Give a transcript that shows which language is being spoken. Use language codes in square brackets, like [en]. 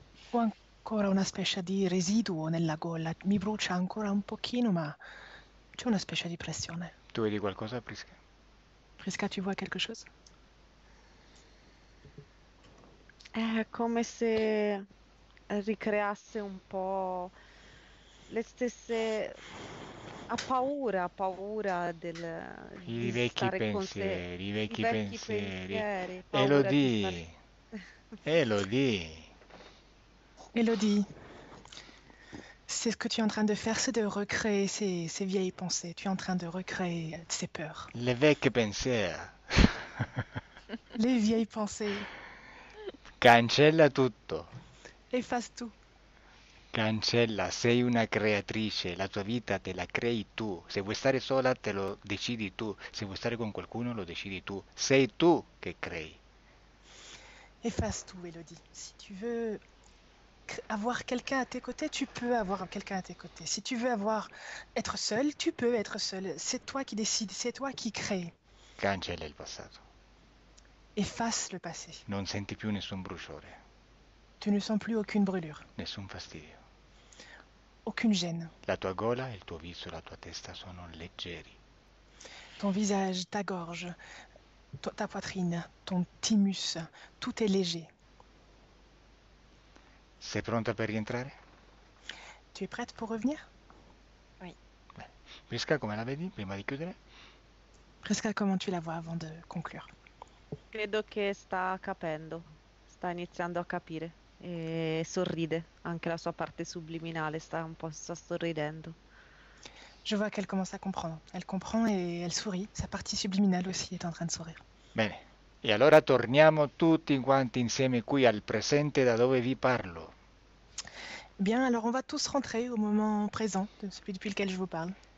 [it] Ho ancora una specie di residuo nella gola, mi brucia ancora un pochino, ma c'è una specie di pressione. Tu vedi qualcosa, Prisca? [fr] Prisca, tu vois quelque chose? [it] È come se ricreasse un po' le stesse. Ha paura I di vecchi stare con sé, pensieri, i vecchi vecchi pensieri. pensieri, paura di stare. Elodie! Elodie! Elodie, [fr] C'est ce que tu es en train de faire, c'est de recréer ces vieilles pensées. Tu es en train de recréer ces peurs. Les vieilles pensées. Les vieilles pensées. [it] Cancella tutto. [fr] Efface tout. [it] Cancella, sei una creatrice, la tua vita te la crei tu. Se vuoi stare sola, te lo decidi tu. Se vuoi stare con qualcuno, lo decidi tu. Sei tu che crei. [fr] Efface tout, Elodie. Si tu veux avoir quelqu'un à tes côtés, tu peux avoir quelqu'un à tes côtés. Si tu veux avoir être seul, tu peux être seul. C'est toi qui décides, c'est toi qui crée. [it] Cancella il passato. [fr] Efface le passé. [it] Non senti più nessun bruciore. [fr] Tu ne sens plus aucune brûlure. [it] Nessun fastidio. [fr] Aucune gêne. [it] La tua gola, il tuo viso, la tua testa sono leggeri. [fr] Ton visage, ta gorge, ta poitrine, ton thymus, tout est léger. [it] Sei pronta per rientrare? [fr] Tu es prête pour revenir? Oui. [it] Prisca, come la vedi prima di chiudere? [fr] Prisca, comment tu la vois avant de conclure? [it] Credo che sta capendo, sta iniziando a capire e sorride, anche la sua parte subliminale sta un po' sta sorridendo. [fr] Je vois qu'elle commence à comprendre. Elle comprend et elle sourit. Sa partie subliminale aussi est en train de sourire. [it] Bene. E allora torniamo tutti quanti insieme qui al presente da dove vi parlo. [fr] Bien, alors on va tous rentrer au moment présent, celui depuis lequel je vous parle.